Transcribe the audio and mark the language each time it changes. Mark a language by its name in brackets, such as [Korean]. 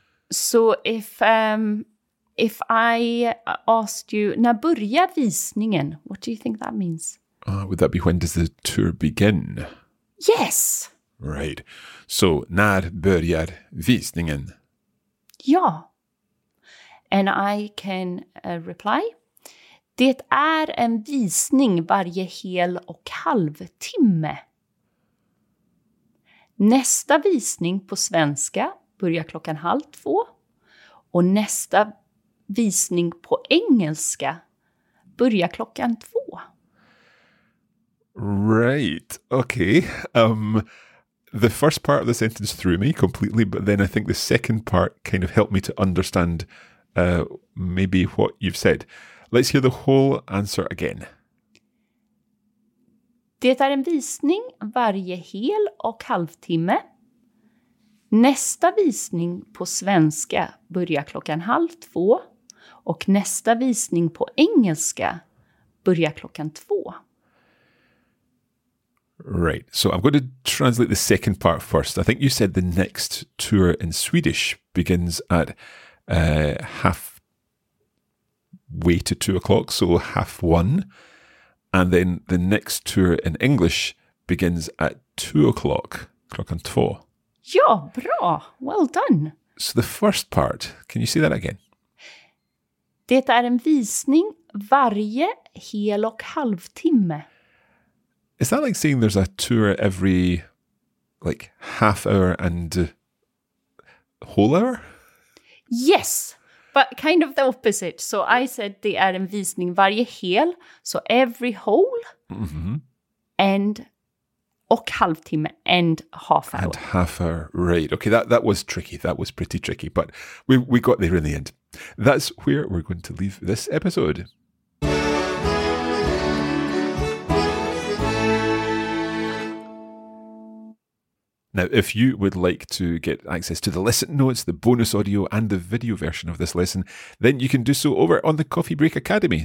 [English] So if I asked you, [Swedish] när börjar visningen? [English] What do you think that means? Would that be when does the tour begin? Yes. Right. [Swedish] So när börjar visningen? [English] Ja. And I can reply. [Swedish] Det är en visning varje hel- och halvtimme. Nästa visning på svenska börjar klockan 1:30 och nästa visning på engelska börjar klockan 2. [English] Right, okay. The first part of the sentence threw me completely, but then I think the second part kind of helped me to understand maybe what you've said. Let's hear the whole answer again. [Swedish] Det är en visning varje hel och halvtimme. Nästa visning på svenska börjar klockan 1:30 och nästa visning på engelska börjar klockan 2. [English] Right, so I'm going to translate the second part first. I think you said the next tour in Swedish begins at halfway to 2:00, so 1:30. And then the next tour in English begins at 2:00, [Swedish] klockan 2. Ja, bra. [English] Well done. So the first part, can you say that again? [Swedish] Det är en visning varje hel och halvtimme. [English] Is that like saying there's a tour every, like, half hour and whole hour? Yes, but kind of the opposite. So I said [Swedish] det är en visning varje hel, [English] so every whole, and [Swedish] och halvtimme, [English] and half hour. And half hour, right. Okay, that was tricky. That was pretty tricky, but we got there in the end. That's where we're going to leave this episode. Now, if you would like to get access to the lesson notes, the bonus audio, and the video version of this lesson, then you can do so over on the Coffee Break Academy.